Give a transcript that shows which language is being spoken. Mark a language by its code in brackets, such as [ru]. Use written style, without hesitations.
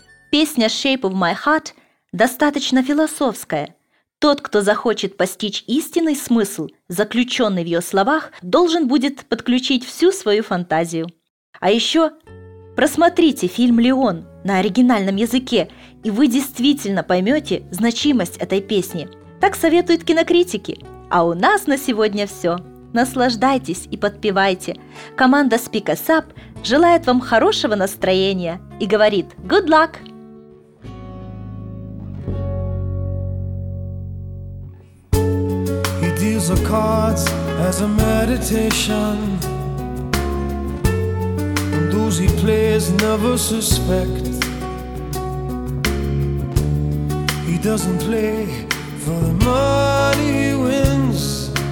[ru] Песня «Shape of my heart» достаточно философская. Тот, кто захочет постичь истинный смысл, заключенный в ее словах, должен будет подключить всю свою фантазию. А еще просмотрите фильм «Леон» на оригинальном языке, и вы действительно поймете значимость этой песни. Так советуют кинокритики. А у нас на сегодня все. Наслаждайтесь и подпевайте. Команда Speak Us Up желает вам хорошего настроения и говорит [en] good luck! He deals the cards as a meditation. And those he plays never suspect. He doesn't play for the money he wins.